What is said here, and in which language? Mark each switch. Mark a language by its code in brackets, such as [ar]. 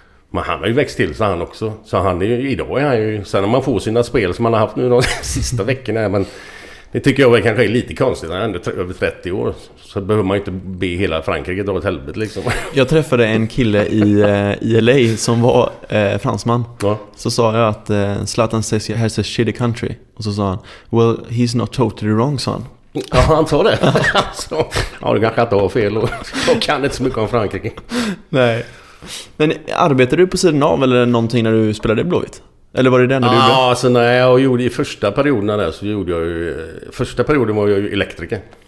[sv] Men han har ju växt till sig han också. Så han är ju, idag är han ju, sen om man får sina spel som han har haft nu de sista veckorna. Men det tycker jag kanske är lite konstigt, när han är över 30 år. Så behöver man ju inte be hela Frankrike dra åt helvete liksom. Jag träffade en kille i LA som var fransman. Ja. Så sa jag att [en] Zlatan says he has a shitty country. [sv] Och så sa han, [en] well he's not totally wrong, son. [sv] Ja, han sa det. Alltså, ja, du kanske inte har fel. Jag kan inte så mycket om Frankrike. Nej. Men arbetar du på sidan av eller någonting när du spelade i Blåvitt? Eller var det den när du gjorde? Ja, alltså, när jag gjorde i första perioden där, så gjorde jag ju, första perioden var jag ju elektriker.